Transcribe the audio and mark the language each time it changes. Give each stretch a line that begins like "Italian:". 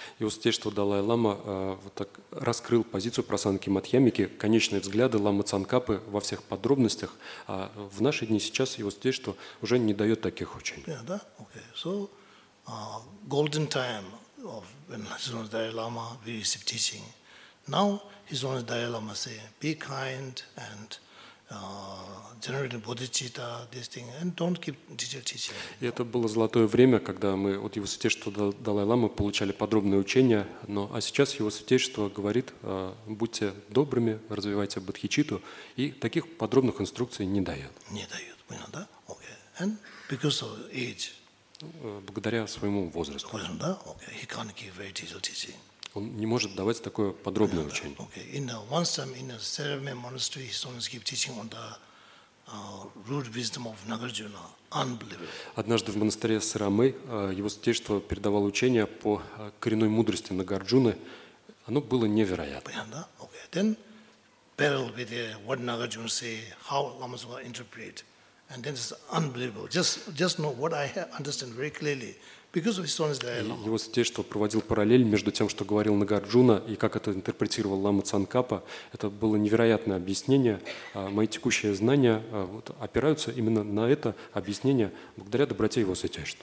Russian: Его Святейшество Далай Лама вот так раскрыл позицию Прасангики Мадхьямики, конечные взгляды Лама Цанкапы во всех подробностях. А в наши дни сейчас Его Святейшество уже не дает таких учений.
English: Yeah, да? Okay. So, golden time of when His Holiness Dalai Lama received teaching. Now His Holiness Dalai Lama say, be kind and generating bodhicitta, this thing, and don't keep detailed teaching.
Russian: И это было золотое время, когда мы от Его Святейшества Далай-Ламы получали подробные учения, но а сейчас Его Святейшество говорит, будьте добрыми, развивайте бодхичитту, и таких подробных инструкций не дает. Не дает, понятно, да?
English: Okay. And because of age.
Russian: Благодаря своему возрасту. Понятно, да?
English: Okay. He can't give very detailed teaching.
Russian: Он не может давать такое подробное учение.
English: Okay. In the once time in a Saramaya monastery, His Holiness gave teaching on the root wisdom of Nagarjuna. Unbelievable.
Russian: Однажды в монастыре Сарамы Его Святейшество передавал учение по коренной мудрости Нагарджуны. Оно было невероятно.
English: Okay. Then parallel with what Nagarjuna say, how Lama Tsongkhapa interpret, and then it's unbelievable. Just know what I understand very clearly. Because of His Holiness Dalai Lama.
Russian: Его Святейшество проводил параллель между тем, что говорил Нагарджуна, и как это интерпретировал Лама Цанкапа. Это было невероятное объяснение. Мои текущие знания вот, опираются именно на это объяснение благодаря доброте Его Святейшества.